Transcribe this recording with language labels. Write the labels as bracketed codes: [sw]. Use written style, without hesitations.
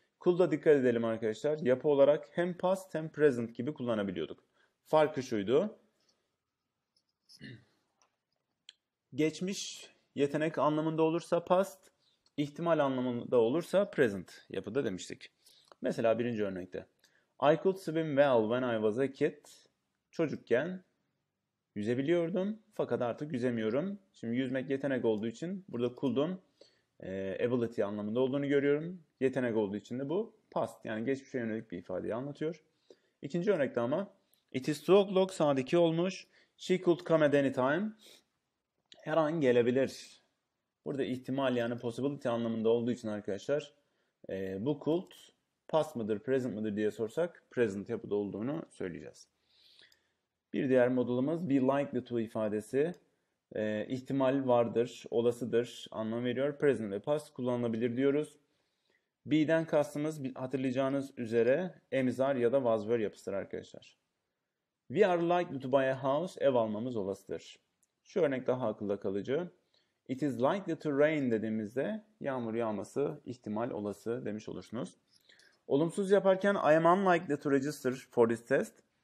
[tr] Could'a dikkat edelim arkadaşlar. Yapı olarak hem past hem present gibi kullanabiliyorduk. Farkı şuydu. Geçmiş yetenek anlamında olursa past, ihtimal anlamında olursa present yapıda demiştik. Mesela birinci örnekte. [en] I could swim well when I was a kid. [tr] Çocukken yüzebiliyordum fakat artık yüzemiyorum. Şimdi yüzmek yetenek olduğu için burada could'un ability anlamında olduğunu görüyorum. Yetenek olduğu için de bu past, yani geçmişe yönelik bir ifadeyi anlatıyor. İkinci örnekte ama [en] it is 2 o'clock, [tr] saat 2 olmuş. [en] She could come at any time. [tr] Her an gelebilir. Burada ihtimal, yani possibility anlamında olduğu için arkadaşlar bu could past mıdır, present mıdır diye sorsak present yapıda olduğunu söyleyeceğiz. Bir diğer modulumuz be likely to ifadesi. İhtimal vardır, olasıdır anlamı veriyor. Present ve past kullanılabilir diyoruz. Be'den kastımız hatırlayacağınız üzere emizar ya da was were yapısıdır arkadaşlar. [en] We are likely to buy a house, [tr] ev almamız olasıdır. Şu örnek daha akılda kalıcı. [en] It is likely to rain [tr] dediğimizde yağmur yağması ihtimal olası demiş olursunuz. Olumsuz yaparken [en] I am unlikely to register for this test.